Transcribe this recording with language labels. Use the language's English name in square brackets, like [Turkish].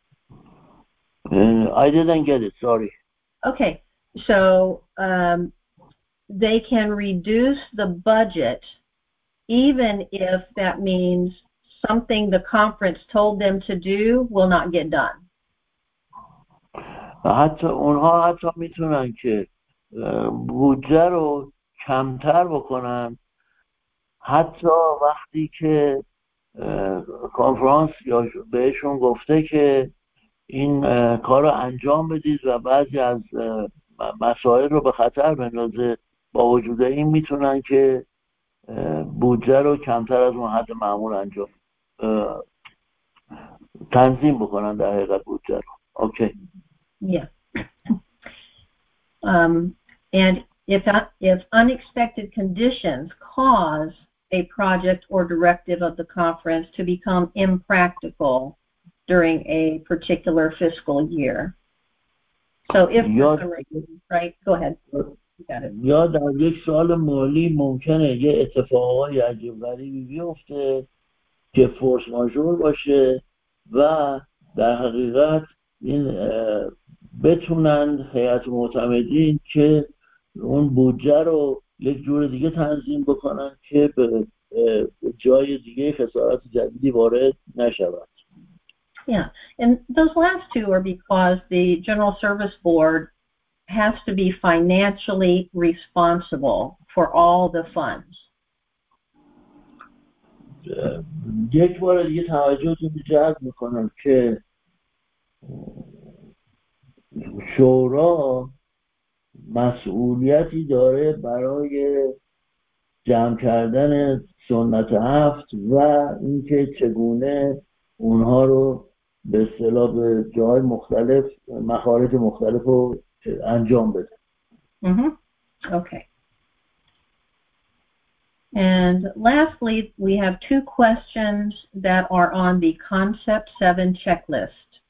[English] I didn't get it, sorry. Okay, so they can reduce the budget even if that means something the conference told them to do will not get done. [Persian] حتی اونها حتی میتونن که بودجه رو کمتر بکنن حتی وقتی که کنفرانس یا بهشون گفته که این کار رو انجام بدید و بعضی از مسائل رو به خطر بندازه با وجود این میتونن که بودجه رو کمتر از اون حد معمول انجام تنظیم بکنن در حقیقت بودجه رو اوکی [English] And if unexpected conditions cause a project or directive of the conference to become impractical during a particular fiscal year. So if right, go ahead. [Persian] یا در یک سال مالی ممکنه یه اتفاقای عجیب غریبی بیفته که فورس ماژور باشه و در حقیقت این بتونن هیئت معتمدین که اون بودجه رو یک جور دیگه تنظیم بکنن که به جای دیگه خسارات جدیدی وارد نشود. [English] Yeah, and those last two are because the General Service Board has to be financially responsible for all the funds. [Persian] یک بار دیگه توجهتون رو جلب میکنم که شورا مسئولیتی داره برای جمع کردن سنت هفت و اینکه چگونه اونها رو به اصطلاح به جای مختلف مخارج مختلف رو انجام بده. [English] Okay. And lastly, we have two questions that are on the Concept 7 checklist.